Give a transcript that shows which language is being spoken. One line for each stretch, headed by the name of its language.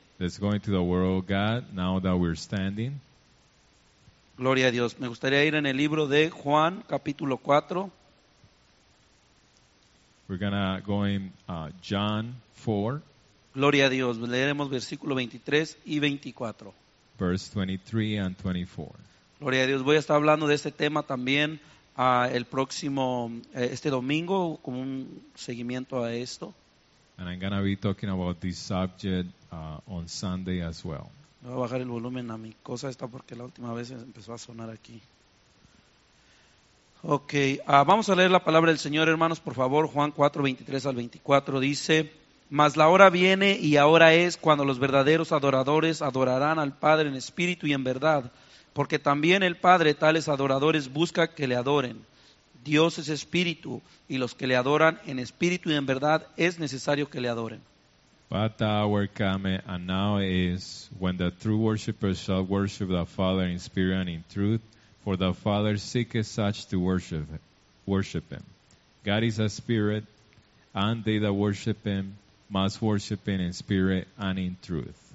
English: Let's go into the word of God now that we're standing.
Spanish: Gloria a Dios. Me gustaría ir en el libro de Juan, capítulo 4.
English: We're going to go in John 4.
Spanish: Gloria a Dios. Leeremos versículo 23 y 24.
English: Verse 23 and 24.
Spanish: Gloria a Dios. Voy a estar hablando de este tema también el próximo, este domingo, como un seguimiento a esto.
English: And I'm going to be talking about this subject on Sunday as well.
Spanish: Voy a bajar el volumen a mi cosa esta porque la última vez empezó a sonar aquí. Ok, vamos a leer la palabra del Señor, hermanos, por favor. Juan 4, 23 al 24 dice: Mas la hora viene y ahora es cuando los verdaderos adoradores adorarán al Padre en espíritu y en verdad, porque también el Padre tales adoradores busca que le adoren. Dios es espíritu, y los que le adoran en espíritu y en verdad es necesario que le adoren.
English: But the hour cometh, and now is, when the true worshippers shall worship the Father in spirit and in truth, for the Father seeketh such to worship him. God is a spirit, and they that worship him must worship him in spirit and in truth.